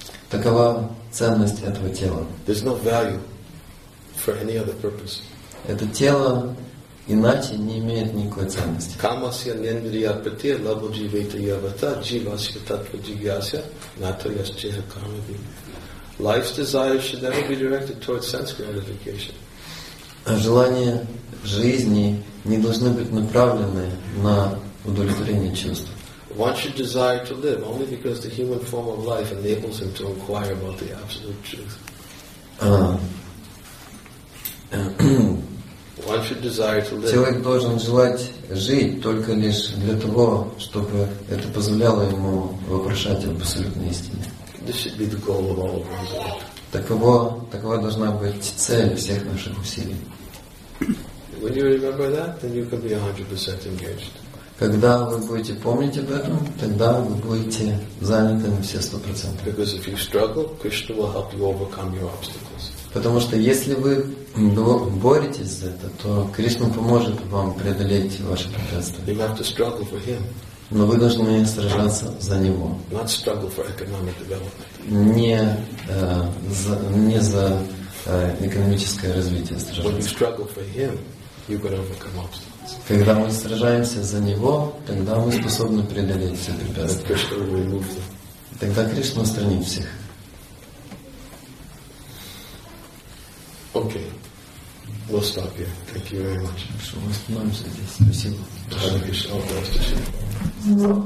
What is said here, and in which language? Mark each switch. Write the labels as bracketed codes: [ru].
[ru] Такова ценность этого тела. [en] There's no value for any other purpose. [ru] Это тело иначе не имеет никакой ценности. [sa] Камасья нендрия прати лабуджи вейта явата дживасья татва джигьяся нато ясчеха камаби. [en] Life's desires should never be directed towards sense gratification. [ru] Желания жизни не должны быть направлены на удовлетворение чувств. [en] One should desire to live only because the human form of life enables him to inquire about the absolute truth. One should desire to live. [ru] Человек должен желать жить только лишь для того, чтобы это позволяло ему вопрошать об абсолютной истине. [en] This should be the goal of all of our work. [ru] Такова должна быть цель всех наших усилий. [en] When you remember that, then you can be 100% engaged. [ru] Когда вы будете помнить об этом, тогда вы будете заняты на все 100%. [en] Because if you struggle, Krishna will help you overcome your obstacles. [ru] Потому что если вы боретесь за это, то Кришна поможет вам преодолеть ваши препятствия. [en] You have to struggle for Him. [ru] Но вы должны сражаться за Него. [en] Not struggle for economic development. [ru] Не за экономическое развитие сражаться. [en] When you struggle for Him, you can overcome obstacles. [ru] Когда мы сражаемся за Него, тогда мы способны преодолеть все препятствия. Тогда Кришна устранит всех. [en] Окей. We'll stop here. Thank you very much. [ru] Хорошо, мы остановимся здесь. Спасибо.